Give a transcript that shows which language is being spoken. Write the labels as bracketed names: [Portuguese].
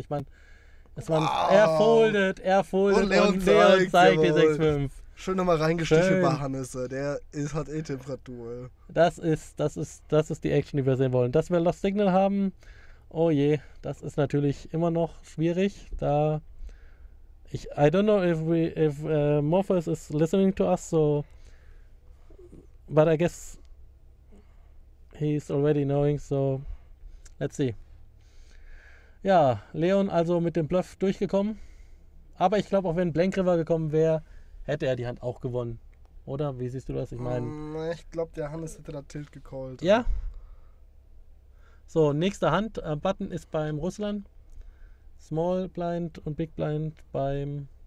[German] Ich meine, es war er foldet und Leon zeigt die 6-5. Schön nochmal reingestichelt bei Hannes, der hat Temperatur. Das ist die Action, die wir sehen wollen. Dass wir Lost Signal haben, oh je, das ist natürlich immer noch schwierig. Da ich, [English] I don't know if Morpheus is listening to us, so, but I guess he's already knowing, so let's see. [German] Ja, Leon also mit dem Bluff durchgekommen. Aber ich glaube, auch wenn Blank River gekommen wäre, hätte er die Hand auch gewonnen. Oder? Wie siehst du das? Ich meine, ich glaube, der Hannes hätte da Tilt gecallt. Ja. So, nächste Hand. Button ist beim Russland. Small Blind und Big Blind beim.